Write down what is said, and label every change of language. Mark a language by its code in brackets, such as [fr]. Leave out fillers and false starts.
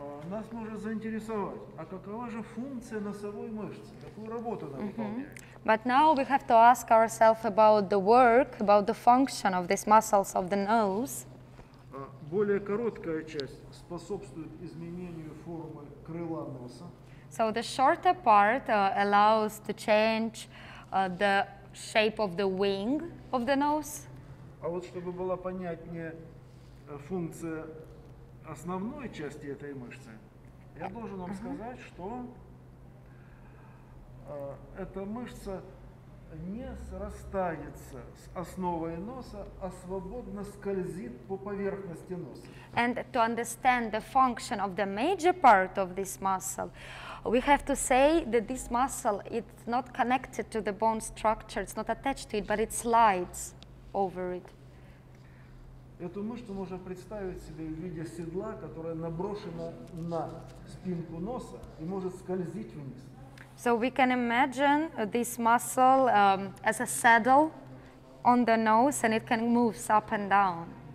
[ru] Нас может заинтересовать, а какова же функция носовой мышцы, какую работу она выполняет? [en] But now we have to ask ourselves about the work, about the function of these muscles of the nose. [ru] Более короткая часть способствует изменению формы крыла носа. [en] So the shorter part allows to change the shape of the wing of the nose. [ru] А вот чтобы была понятнее функция основной части этой мышцы, я должен вам сказать, что эта мышца не срастается с основой носа, а свободно скользит по поверхности носа. [en] And to understand the function of the major part of this muscle, we have to say that this muscle, it's not connected to the bone structure, it's not attached to it, but it slides over it. [ru] Эту мышцу можно представить себе в виде седла, которое наброшено на спинку носа и может скользить вниз. [en] So we can imagine this muscle as a saddle on the nose, and it can move up and down.